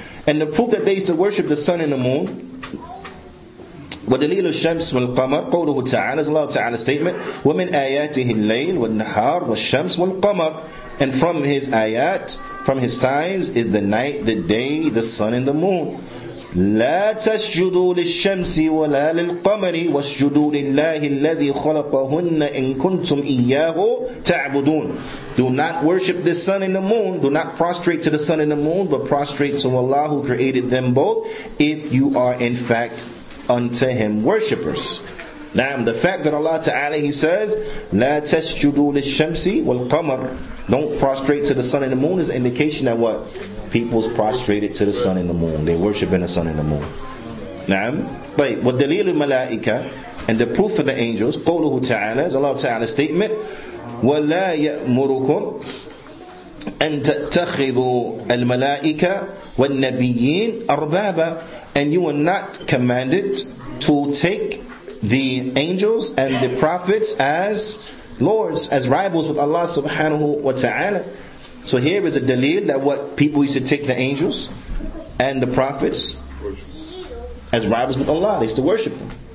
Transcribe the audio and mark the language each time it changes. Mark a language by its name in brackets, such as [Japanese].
[English] And the proof that they used to worship the sun and the moon, [Arabic] وَدَلِيلُ الشَّمْسِ وَالْقَمَرِ قَوْلُهُ تَعَالَى, [English] is Allah Ta'ala's statement, [Arabic] وَمِنْ آيَاتِهِ اللَّيْلِ وَالنَّهَارِ وَالشَّمْسِ وَالْقَمَرِ. [English] And from his ayat, from his signs, is the night, the day, the sun and the moon. [Arabic] لا تسجدوا للشمس ولا للقمر واسجدوا لله الذي خلقهن إن كنتم إياه تعبدون. [English] Do not worship the sun and the moon. Do not prostrate to the sun and the moon, but prostrate to Allah who created them both, if you are in fact unto Him worshippers. Now, the fact that Allah Ta'ala, He says, [Arabic] لا تسجدوا للشمس والقمر. [English] Don't prostrate to the sun and the moon is an indication that what? People's prostrated to the sun and the moon. They worshiping the sun and the moon. Na'am. But what [Arabic] dalil al-malaika, [English] and the proof of the angels, [Arabic] قوله تعالى, [English] is Allah Ta'ala's statement, [Arabic] ولا يأمركم أن تتخذوا الملائكة والنبيين أربابا. [English] And you are not commanded to take the angels and the prophets as lords, as rivals with Allah subhanahu wa ta'ala. So here is a dalil that what people used to take the angels and the prophets as rivals with Allah. They used to worship them.